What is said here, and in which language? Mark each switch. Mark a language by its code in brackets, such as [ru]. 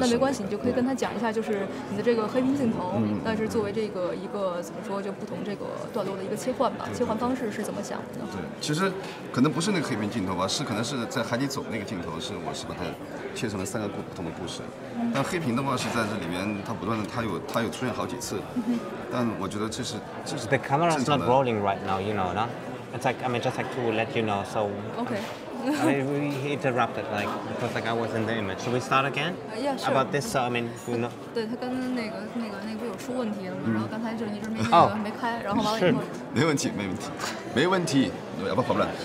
[zh] 那没关系，你就可以跟他讲一下，就是你的这个黑屏镜头，那是作为这个一个怎么说，就不同这个段落的一个切换吧，切换方式是怎么想的？对，其实可能不是那个黑屏镜头吧，是可能是在海底走那个镜头，我是把它切成了三个不同的故事。但黑屏的话是在这里面，它不断的，它有出现好几次。但我觉得这是 [en] The camera is not rolling right now, you know, no? It's like, I mean, just like to let you know, so. Okay. We interrupted, like, because like, I was in the image. Should we start again? Yeah, sure. About this, so, I mean, we know. [zh] 对，他跟那个有出问题了，然后刚才就一直没开，然后完了以后。没问题，没问题，没问题，要不跑不了。